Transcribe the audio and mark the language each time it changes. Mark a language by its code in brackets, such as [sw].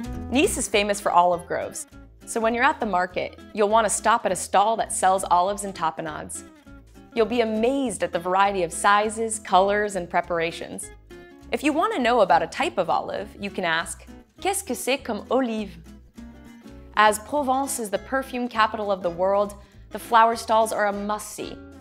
[en] Nice is famous for olive groves. So when you're at the market, you'll want to stop at a stall that sells olives and tapenades. You'll be amazed at the variety of sizes, colors, and preparations. If you want to know about a type of olive, you can ask, [fr] qu'est-ce que c'est comme olive? [en] As Provence is the perfume capital of the world, the flower stalls are a must-see.